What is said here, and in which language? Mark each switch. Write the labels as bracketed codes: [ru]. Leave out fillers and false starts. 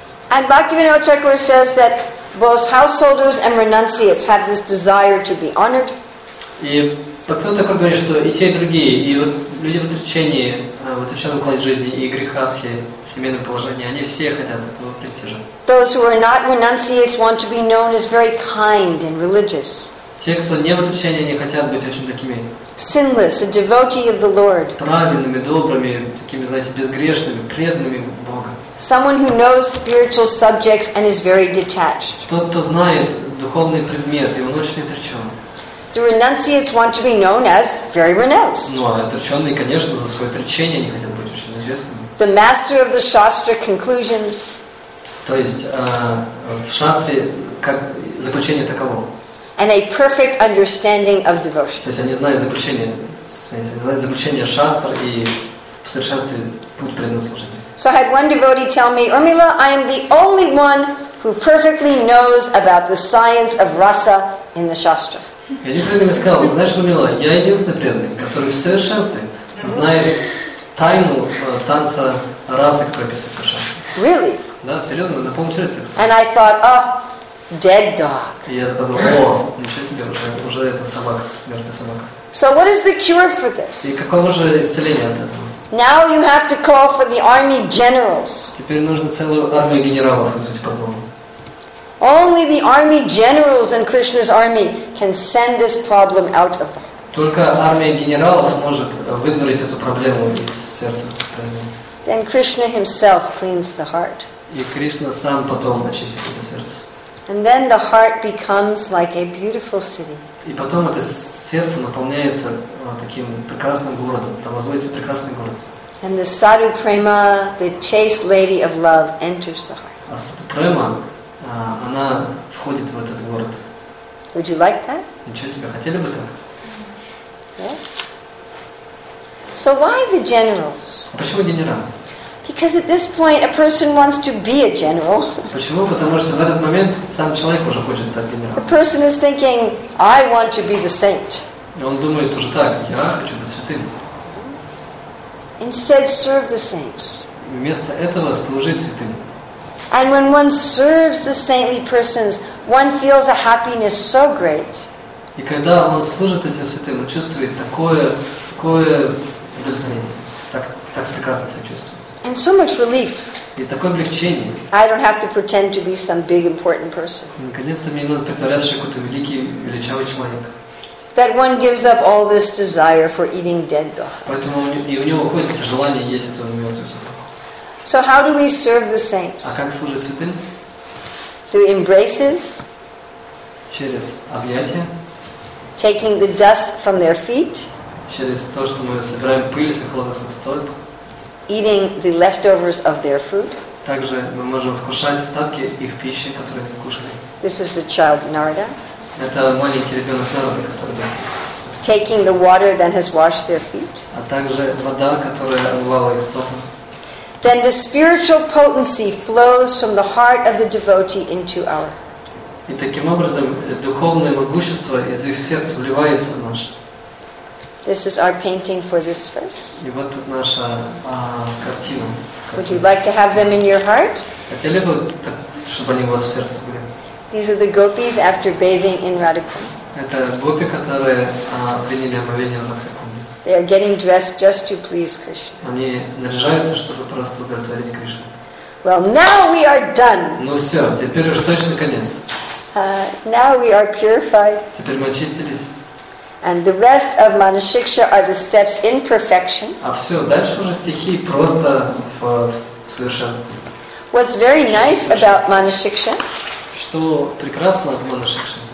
[en] And Bhaktivinoda Thakur says that both householders and renunciates have this desire to be honored. [ru] И потом такой говорит, что и те, и другие, и вот люди в отречении, в отреченном уклоне жизни, и грехасхи, семейное положение, они все хотят этого престижа. [en] Those who are not renunciates want to be known as very kind and religious. [ru] Те, кто не в отречении, они хотят быть очень такими. [en] Sinless, a devotee of the Lord. [ru] Правильными, добрыми, такими, знаете, безгрешными, преданными Бога. [en] Someone who knows spiritual subjects and is very detached. [ru] Тот, кто знает духовный предмет, и он очень отречен. [en] The renunciates want to be known as very renounced. [ru] Ну, а отреченные, конечно, за свое отречение не хотят быть очень известными. [en] The master of the shastra conclusions. [ru] То есть в шастре как заключение таково. [en] And a perfect understanding of devotion. [ru] То есть они знают заключение шастр и в совершенстве путь преданного служения. [en] So I had one devotee tell me, Urmila, I am the only one who perfectly knows about the science of rasa in the shastra. [ru] Один преданный сказал, знаешь, Урмила, я единственный преданный, который в совершенстве знает тайну танца расы, которая описывается в шастре. [en] Really? [ru] Да, серьезно, на полном серьезе. [en] And I thought, oh, dead dog. [ru] И я подумал, о, ничего себе, уже это собака, мертвая собака. [en] So what is the cure for this? [ru] И каково же исцеление от этого? [en] Now you have to call for the army generals. [ru] Теперь нужно целую армию генералов вызвать по Богу. [en] Only the army generals in Krishna's army can send this problem out of them. [ru] Только армия генералов может выдворить эту проблему из сердца. [en] Then Krishna himself cleans the heart. [ru] И Кришна сам потом очистит это сердце. [en] And then the heart becomes like a beautiful city. [ru] И потом это сердце наполняется таким прекрасным городом. Там возводится прекрасный город. [en] And the sadhu prema, the chaste lady of love, enters the heart. [ru] А сада према, она входит в этот город. [en] Would you like that? [ru] Ничего себе, хотели бы так? [en] Yes. So why the generals? [ru] Почему генералы? [en] Because at this point a person wants to be a general. [ru] Почему? Потому что в этот момент сам человек уже хочет стать генералом. [en] The person is thinking, I want to be the saint. [ru] Он думает тоже так, я хочу быть святым. [en] Instead, serve the saints. [ru] Вместо этого служить святым. [en] And when one serves the saintly persons, one feels a happiness so great. [ru] И когда он служит этим святым, он чувствует такое удовлетворение, так прекрасно себя чувствует. [en] And so much relief. [ru] И такое облегчение. [en] I don't have to pretend to be some big important person. [ru] Наконец-то мне не надо притворяться, что какой-то великий, величавый человек. [en] That one gives up all this desire for eating dead dogs. [ru] Поэтому у него уходит это желание есть эту мертвую собаку. [en] So how do we serve the saints? [ru] А как служить святым? [en] Through embraces. [ru] Через объятия. [en] Taking the dust from their feet. [ru] Через то, что мы собираем пыль с их лотосных столб. [en] Eating the leftovers of their food. [ru] Также мы можем вкушать остатки их пищи, которые они кушали. [en] This is the child Narada. [ru] Это маленький ребенок Нарада, который достиг. [en] Taking the water that has washed their feet. [ru] А также вода, которая омывала их стопы. [en] Then the spiritual potency flows from the heart of the devotee into our. [ru] И таким образом духовное могущество из их сердца вливается в наше. [en] This is our painting for this verse. [ru] И вот тут наша картина. [en] Would you like to have them in your heart? [ru] Хотели бы, чтобы они у вас в сердце были? [en] These are the gopis after bathing in Radhakund. [ru] Это гопи, которые приняли омовение в Радхакунде. [en] They are getting dressed just to please Krishna. [ru] Они наряжаются, чтобы просто удовлетворить Кришну. [en] Well, now we are done. [ru] Ну все, теперь уж точно конец. [en] Now we are purified. [ru] Теперь мы очистились. [en] And the rest of Manashiksha are the steps in perfection. [ru] А все, дальше уже стихи просто в совершенстве. [en] What's very nice about Manashiksha? [ru] Что прекрасно в Манашикше?